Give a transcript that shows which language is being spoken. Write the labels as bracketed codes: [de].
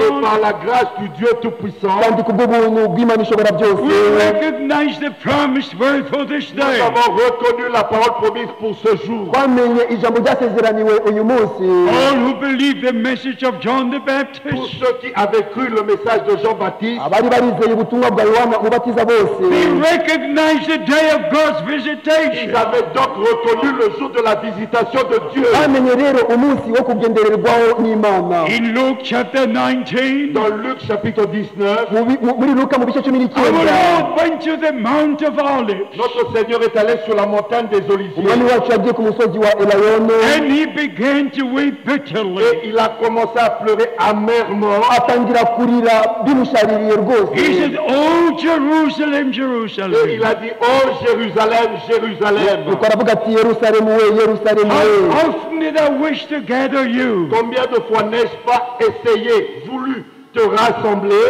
[fr] Et par la grâce du Dieu Tout-Puissant. [en] We recognize the promised word for this day. [fr] Nous avons reconnu la parole promise pour ce jour. [en] All who believe the message of John the Baptist. [fr] Tous ceux qui avaient cru le message de Jean-Baptiste. [en] They recognized the day of God's visitation. [fr] Ils avaient donc reconnu le jour de la visitation de Dieu. [en] In Luke chapter [fr] 19. Dans Luc chapitre [en] 19. Our Lord went to the Mount of Olives. [fr] Notre Seigneur est allé sur la montagne des Oliviers. [en] And he began to weep bitterly. [fr] Et il a commencé à pleurer amèrement. Il a dit, oh Jerusalem, Jerusalem. Oh Jerusalem, Jerusalem. Jerusalem. [en] How often did I wish to gather you? [fr] Combien de fois n'ai-je pas essayé, voulu te rassembler?